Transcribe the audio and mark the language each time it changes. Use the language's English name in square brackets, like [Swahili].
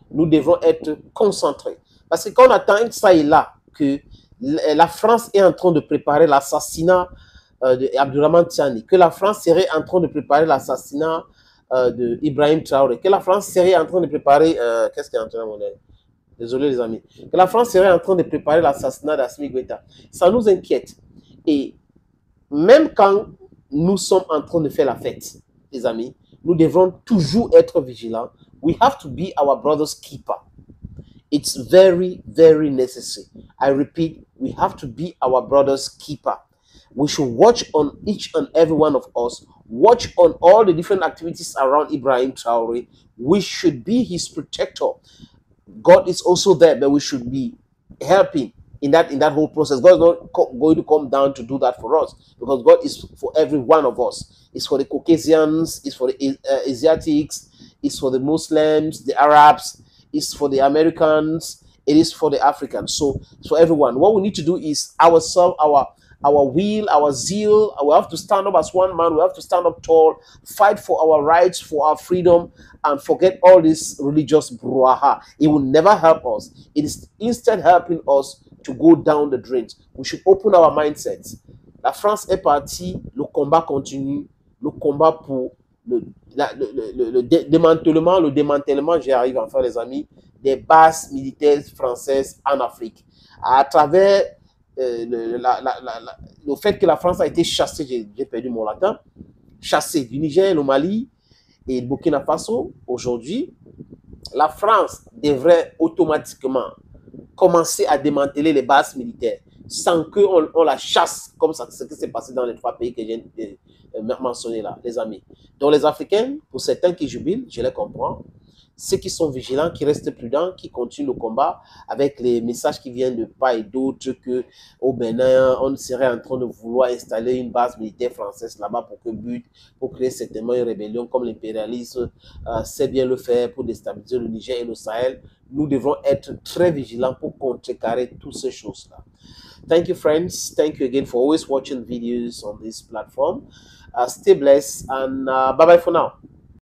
[French] Nous devons être concentrés. Parce que quand on attend ça et là, que la France est en train de préparer l'assassinat d'Abdourahmane Tchiani, que la France serait en train de préparer l'assassinat d'Ibrahim Traoré, que la France serait en train de préparer. Qu'est-ce qui est en train de mon œil? Désolé, les amis. Que la France serait en train de préparer l'assassinat d'Assimi Goïta. Ça nous inquiète. Et même quand nous sommes en train de faire la fête, les amis, nous devons toujours être vigilants. [English] We have to be our brother's keeper. It's very, very necessary. I repeat, we have to be our brother's keeper. We should watch on each and every one of us. Watch on all the different activities around Ibrahim Traoré. We should be his protector. God is also there, but we should be helping in that whole process. God is not co going to come down to do that for us because God is for every one of us. It's for the Caucasians, it's for the Asiatics, it's for the Muslims, the Arabs, it's for the Americans, it is for the Africans. So it's for everyone. What we need to do is ourselves, our will, our zeal. We have to stand up as one man. We have to stand up tall, fight for our rights, for our freedom, and forget all this religious brouhaha. It will never help us. It is instead helping us to go down the drain. We should open our mindsets. [French] La France est partie, le combat continue, le combat pour le démantèlement, le démantèlement, j'y arrive enfin les amis, des bases militaires françaises en Afrique. À travers le fait que la France a été chassée, j'ai perdu mon latin, chassée du Niger, le Mali et le Burkina Faso, aujourd'hui, la France devrait automatiquement commencer à démanteler les bases militaires. Sans qu'on la chasse, comme ça, ce qui s'est passé dans les trois pays que j'ai mentionnés là, les amis. Donc, les Africains, pour certains qui jubilent, je les comprends, ceux qui sont vigilants, qui restent prudents, qui continuent le combat avec les messages qui viennent de part et d'autre, que au Bénin, on serait en train de vouloir installer une base militaire française là-bas pour que but, pour créer certainement une rébellion, comme l'impérialisme sait bien le faire pour déstabiliser le Niger et le Sahel. Nous devons être très vigilants pour contrecarrer toutes ces choses-là. [English] Thank you, friends. Thank you again for always watching videos on this platform. Stay blessed and bye-bye for now.